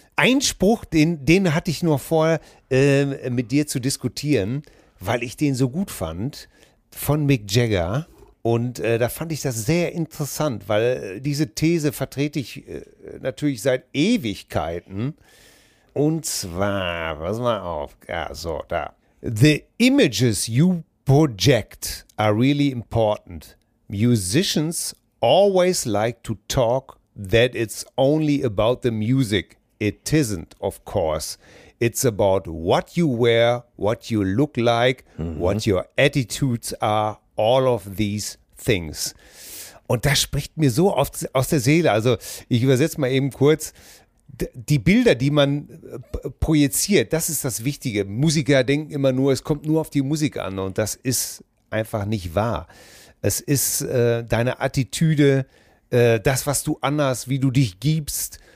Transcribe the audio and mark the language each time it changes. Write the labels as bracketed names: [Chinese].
[German] Ein Spruch, den hatte ich nur vor, mit dir zu diskutieren, weil ich den so gut fand, von Mick Jagger. Und da fand ich das sehr interessant, weil diese These vertrete ich natürlich seit Ewigkeiten. Und zwar, pass mal auf, ja, so, da. [English] The images you project are really important. Musicians always like to talk that it's only about the music. It isn't, of course. It's about what you wear, what you look like, mm-hmm. what your attitudes are, all of these things. [German] Und das spricht mir so aus der Seele. Also ich übersetze mal eben kurz. Die Bilder, die man projiziert, das ist das Wichtige. Musiker denken immer nur, es kommt nur auf die Musik an. Und das ist einfach nicht wahr. Es ist deine Attitüde, das, was du anhast, wie du dich gibst.